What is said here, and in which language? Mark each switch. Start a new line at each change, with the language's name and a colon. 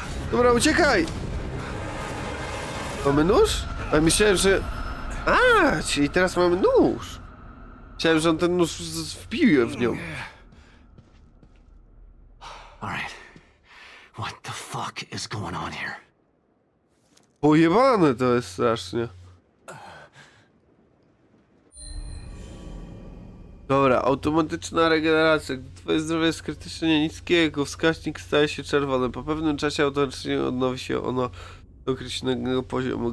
Polish: Dobra, uciekaj! Mamy nóż? A myślałem, że... A, czyli teraz mamy nóż! Chciałem, że on ten nóż wbił w nią.
English: Alright. What the fuck is going on here?
Polish: Pojebane to jest strasznie. Dobra, automatyczna regeneracja. Twoje zdrowie jest krytycznie niskie, jego wskaźnik staje się czerwony. Po pewnym czasie automatycznie odnowi się ono do określonego poziomu.